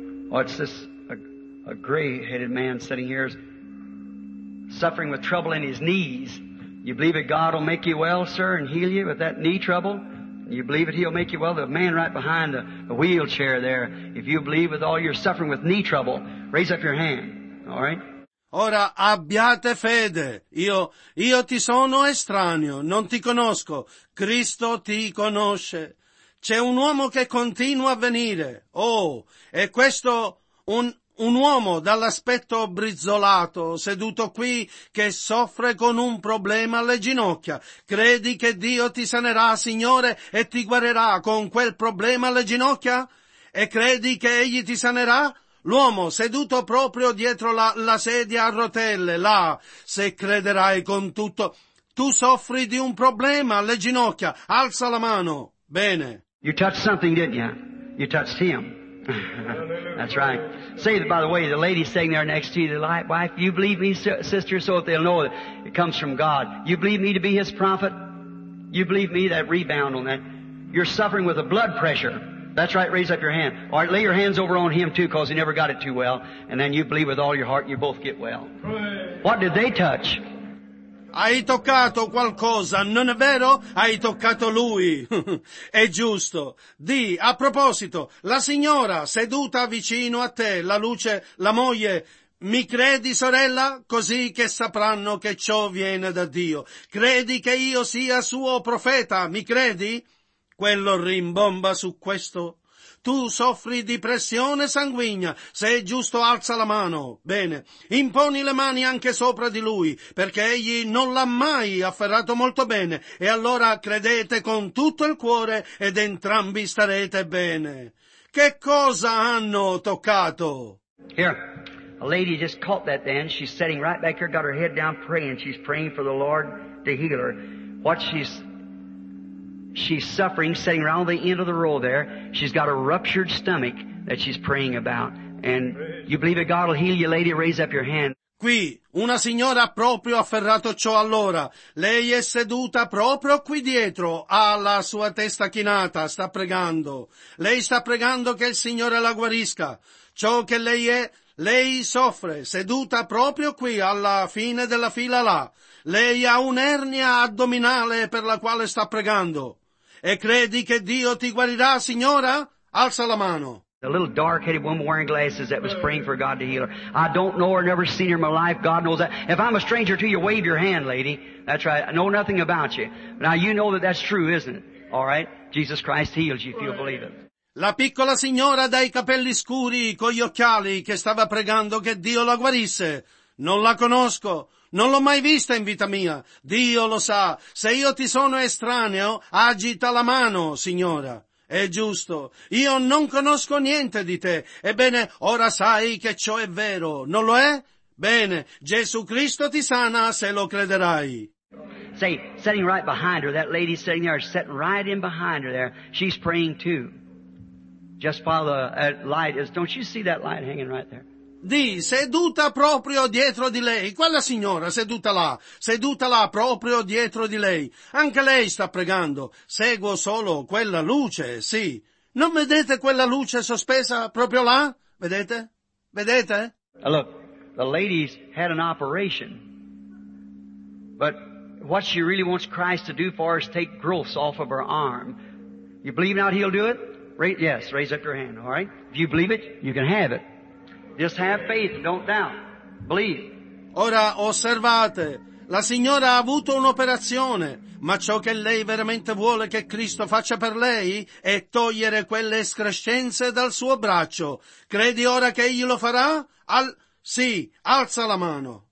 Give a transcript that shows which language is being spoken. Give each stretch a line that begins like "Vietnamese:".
English: Oh, it's this a gray-headed man sitting here suffering with trouble in his knees. You believe that God will make you well, sir, and heal you with that knee trouble? You believe it, he'll make you well. The man right behind the wheelchair there, if you believe with all your suffering with knee trouble, raise up your hand. All right?
Italian: Ora abbiate fede. Io ti sono estraneo, non ti conosco. Cristo ti conosce. C'è un uomo che continua a venire. Oh, è questo un uomo dall'aspetto brizzolato, seduto qui, che soffre con un problema alle ginocchia. Credi che Dio ti sanerà, Signore, e ti guarirà con quel problema alle ginocchia? E credi che Egli ti sanerà? L'uomo seduto proprio dietro la sedia a rotelle, là, se crederai con tutto, tu soffri di un problema alle ginocchia, alza la mano. Bene.
English: You touched something, didn't you? You touched him. That's right. Say that, by the way, the lady sitting there next to you, the wife, you believe me, sister, so that they'll know that it comes from God. You believe me to be his prophet? You believe me, that rebound on that? You're suffering with a blood pressure. That's right, raise up your hand. All right, lay your hands over on him too, because he never got it too well. And then you believe with all your heart, and you both get well. What did they touch?
Italian: Hai toccato qualcosa, non è vero? Hai toccato lui. È giusto. Di, a proposito, la signora seduta vicino a te, la luce, la moglie, mi credi, sorella? Così che sapranno che ciò viene da Dio. Credi che io sia suo profeta, mi credi? Quello rimbomba su questo. Tu soffri di pressione sanguigna. Se è giusto, alza la mano. Bene. Imponi le mani anche sopra di lui, perché egli non l'ha mai afferrato molto bene. E allora credete con tutto il cuore ed entrambi starete bene. Che cosa hanno toccato?
English: Here, a lady just caught that then. She's sitting right back here, got her head down praying. She's praying for the Lord to heal her. What she's suffering, sitting around the end of the row there. She's got a ruptured stomach that she's praying about. And you believe that God will heal you, lady? Raise up your hand.
Italian: Qui, una signora ha proprio afferrato ciò allora. Lei è seduta proprio qui dietro, ha la sua testa chinata, sta pregando. Lei sta pregando che il Signore la guarisca. Ciò che lei è, lei soffre, seduta proprio qui, alla fine della fila là. Lei ha un'ernia addominale per la quale sta pregando. E credi che Dio ti guarirà, signora? Alza la mano.
English: The little dark-headed woman wearing glasses that was praying for God to heal her. I don't know her, never seen her in my life. God knows that. If I'm a stranger to you, wave your hand, lady. That's right. I know nothing about you. Now you know that that's true, isn't it? All right? Jesus Christ heals you if you believe it.
Italian: La piccola signora dai capelli scuri con gli occhiali che stava pregando che Dio la guarisse. Non la conosco. Non l'ho mai vista in vita mia. Dio lo sa. Se io ti sono estraneo, agita la mano, signora. È giusto. Io non conosco niente di te. Ebbene, ora sai che ciò è vero. Non lo è? Bene. Gesù Cristo ti sana se lo crederai.
English: Say, sitting right behind her, that lady sitting there, sitting right in behind her there, she's praying too. Just follow that light. Don't you see that light hanging right there?
Italian: Di, seduta proprio dietro di lei, quella signora seduta là proprio dietro di lei, anche lei sta pregando, seguo solo quella luce, sì, non vedete quella luce sospesa proprio là? Vedete? Vedete?
English: Look, the lady's had an operation, but what she really wants Christ to do for her is take growths off of her arm. You believe not he'll do it? Yes, raise up your hand, all right? If you believe it, you can have it. Just have faith, don't doubt. Believe.
Italian: Ora osservate, la signora ha avuto un'operazione, ma ciò che lei veramente vuole che Cristo faccia per lei è togliere quelle escrescenze dal suo braccio. Credi ora che egli lo farà? Sì, alza la mano.